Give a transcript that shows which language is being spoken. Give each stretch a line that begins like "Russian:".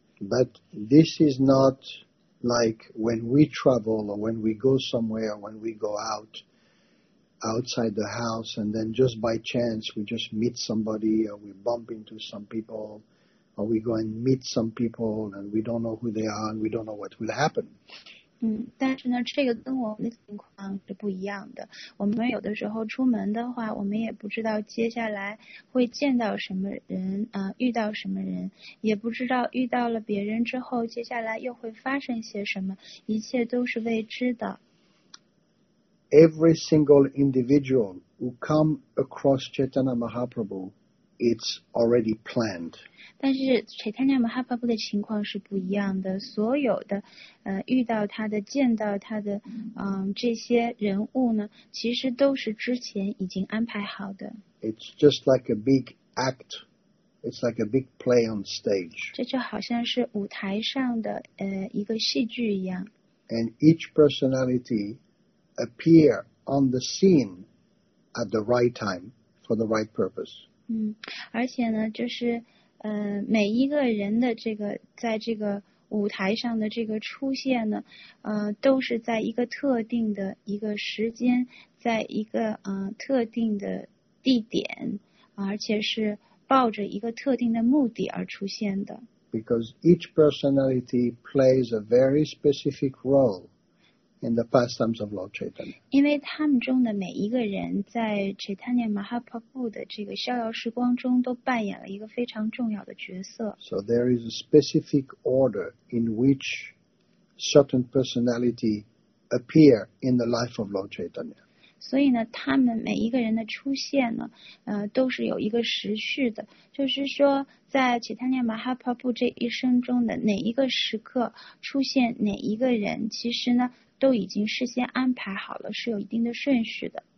English: But this is not like when we travel or when we go somewhere, when we go out. Outside the house, and then just by chance, we just meet somebody, or we bump into some people, or we go and meet some people, and we don't know who they are, and we don't know what will happen.
Chinese: 但是呢，这个跟我们的情况是不一样的。我们有的时候出门的话，我们也不知道接下来会见到什么人，遇到什么人，也不知道遇到了别人之后，接下来又会发生些什么，一切都是未知的。
English: Every single individual who come across Chaitanya Mahaprabhu, it's already planned.
Chinese: 但是 Chaitanya Mahaprabhu 的情况是不一样的。所有的，遇到他的、见到他的，这些人物呢，其实都是之前已经安排好的。
English: It's just like a big act. It's like a big play on stage.
Chinese: 这就好像是舞台上的，一个戏剧一样。
English: And each personality. Appear on the scene at the right time for the right purpose.
Chinese: 而且呢，就是每一个人的这个在这个舞台上的这个出现呢，都是在一个特定的一个时间，在一个特定的地点，而且是抱着一个特定的目的而出现的。
English: Because each personality plays a very specific role. In the pastimes of Lord Chaitanya.
Chinese: 因为他们中的每一个人在 Chaitanya Mahaprabhu 的这个逍遥时光中都扮演了一个非常重要的角色。
English: So there is a specific order in which certain personality appear in the life of Lord Chaitanya.
Chinese: 所以呢，他们每一个人的出现呢，都是有一个时序的。就是说，在 Chaitanya Mahaprabhu 这一生中的哪一个时刻出现哪一个人，其实呢。都已经事先安排好了，是有一定的顺序的。